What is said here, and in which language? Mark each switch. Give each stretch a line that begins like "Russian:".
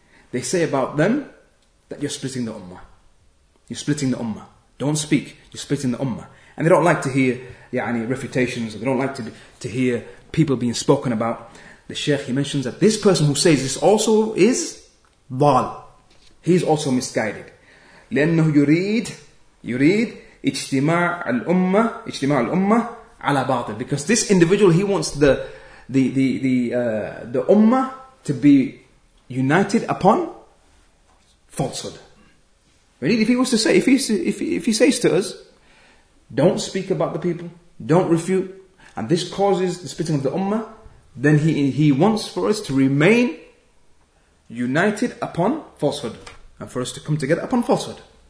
English: They say about them that you're splitting the ummah. You're splitting the ummah. Don't speak, you're splitting the ummah. And they don't like to hear
Arabic: يعني,
English: refutations, or they don't like to hear people being spoken about. The Shaykh, he mentions that this person who says this also is ضال. He's also misguided.
Arabic: لأنه يريد اجتماع الأمة على باطل.
English: Because this individual, he wants the ummah to be united upon falsehood. Really, if he says to us, don't speak about the people, don't refute, and this causes the splitting of the ummah, then he wants for us to remain united upon falsehood, and for us to come together upon falsehood.